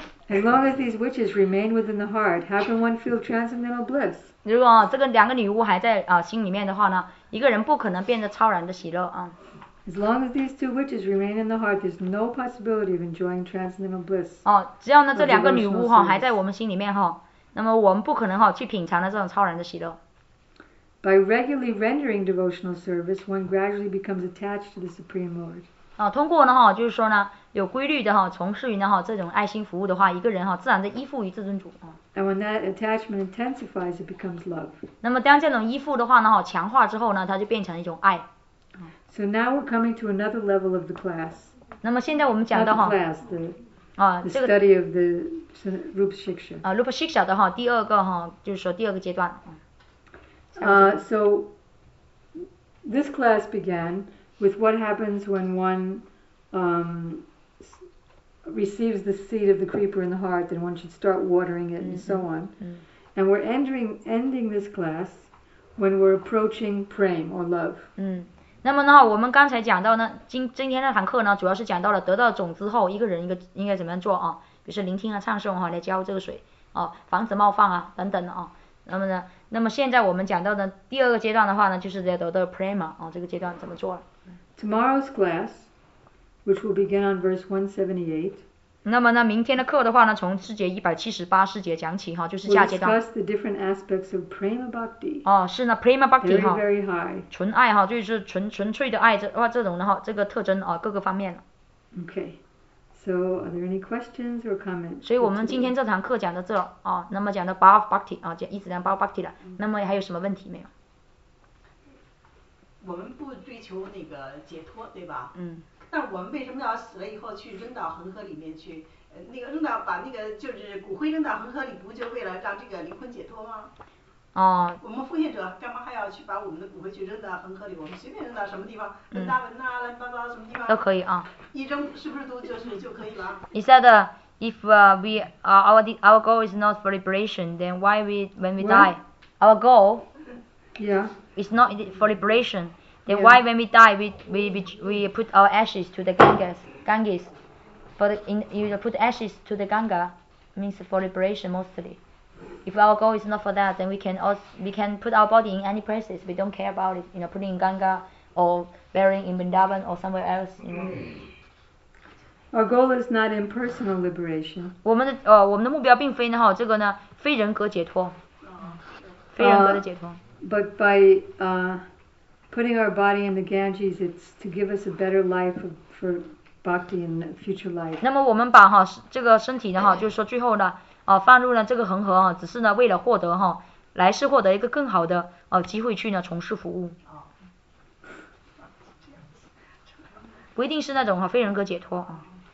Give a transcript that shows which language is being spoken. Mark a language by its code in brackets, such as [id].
[en] As long as these witches remain within the heart, how can one feel transcendental bliss? [zh] 如果这个两个女巫还在心里面的话呢，一个人不可能变得超然的喜乐啊。 [en] As long as these two witches remain in the heart, there's no possibility of enjoying transcendental bliss. [zh] 哦，只要呢这两个女巫哈还在我们心里面哈，那么我们不可能哈去品尝的这种超然的喜乐。 [en] By regularly rendering devotional service, one gradually becomes attached to the Supreme Lord. [zh] 啊，通过呢哈，就是说呢，有规律的哈，从事于呢哈这种爱心服务的话，一个人哈自然的依附于至尊主啊。 [en] And when that attachment intensifies, it becomes love. [zh] 那么当这种依附的话呢哈强化之后呢，它就变成一种爱。 [en] So now we're coming to another level of the class. [zh] 那么现在我们讲到哈。 [en] Not the class, the,、啊、 the [zh] 这个、 [en] study of the Rupa Shiksha. [zh] 啊 ，Rupa Shiksha 的哈，第二个哈，就是说第二个阶段。 [en] So this class began with what happens when one receives the seed of the creeper in the heart, and one should start watering it,、mm-hmm. and so on.、Mm-hmm. And we're ending this class when we're approaching prem or love. 嗯。 [zh] 那么呢，我们刚才讲到呢，今天那堂课呢，主要是讲到了得到种子后，一个人应该怎么样做啊？比如说聆听啊、唱诵啊、来浇这个水啊，防止冒犯啊等等的啊。那么呢，现在我们讲到的第二个阶段的话呢，就是得到 prema 啊，这个阶段怎么做了 [en] ？Tomorrow's class, which will begin on verse 178. [zh] 那么呢，明天的课的话呢，从四节178四节讲起哈，就是下阶段。 [en] We'll discuss the different aspects of prema bhakti. [zh] 哦，是呢 ，prema bhakti 哈。 [en] Very high. [zh] 纯爱哈，就是纯粹的爱这种的哈，这个特征啊，各个方面。 [en] Okay. So are there any questions or comments? [zh] 所以我们今天这堂课讲到这啊，那么讲到 bhava bhakti 啊，讲一直讲 bhava bhakti 了，那么还有什么问题没有？我们不追求那个解脱，对吧？嗯。那我们为什么要死了以后去扔到恒河里面去？那个扔到把那个就是骨灰扔到恒河里，不就为了让这个灵魂解脱吗？哦。我们奉献者干嘛还要去把我们的骨灰去扔到恒河里？我们随便扔到什么地方，温达文呐、啊、乱七八糟什么地方都可以啊。一扔是不是就可以吗 [en] ？He said, if we our goal is not for liberation, then why we when we die, our goal, yeah, is not for liberation. Then why when we die we put our ashes to the Ganges, but you put ashes to the Ganga means for liberation mostly. If our goal is not for that, then we can put our body in any places. We don't care about it, you know, putting in Ganga or burying in Vrindavan or somewhere else, you know. Our goal is not impersonal liberation. [zh] 我们的目标并非呢哈这个呢非人格解脱，非人格的解脱。 [en] But by putting our body in the Ganges, it's to give us a better life for bhakti in future life. [zh] 那么我们把哈这个身体呢哈，就是说最后呢啊放入了这个恒河啊，只是呢为了获得哈来世获得一个更好的啊机会去呢从事服务。不一定是那种哈非人格解脱啊。